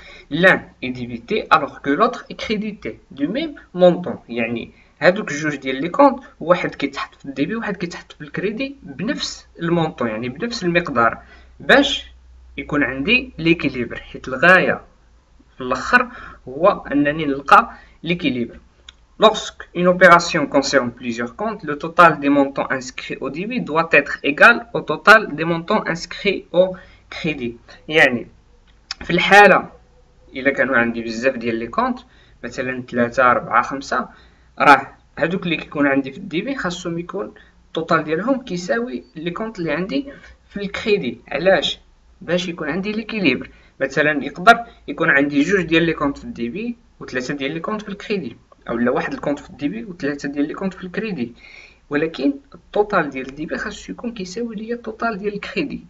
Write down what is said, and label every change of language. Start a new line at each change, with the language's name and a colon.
French: لان اي ديبيتي الوغ كو لوتر اي كريديتي دو ميم مونطون،
Arabic: يعني هادوك جوج ديال لي كونت واحد كيتحط في الديبي واحد كيتحط في الكريدي بنفس المونطون، يعني بنفس المقدار باش يكون عندي ليكيليبر، حيت الغايه في الاخر هو انني نلقى ليكيليبر.
French: Lorsque une opération concerne plusieurs comptes, le total des montants inscrits au débit doit être égal au total des montants inscrits au crédit.
Arabic: يعني في الحالة إذا كانوا عندي بزاف ديال لي كونت مثلا 3 4 5، راه هادوك اللي كيكون عندي في الديبي خاصهم يكون التوتال ديالهم كيساوي لي كونت اللي عندي في الكريدي. علاش؟ باش يكون عندي ليكيليبر. مثلا يقدر يكون عندي جوج ديال لي كونت في الديبي وثلاثة ديال لي كونت في الكريدي، او لا واحد الكونت في الديبي وثلاثه ديال لي كونت في الكريدي، ولكن التوتال ديال الديبي خاصو يكون كيساوي ليا التوتال ديال الكريدي.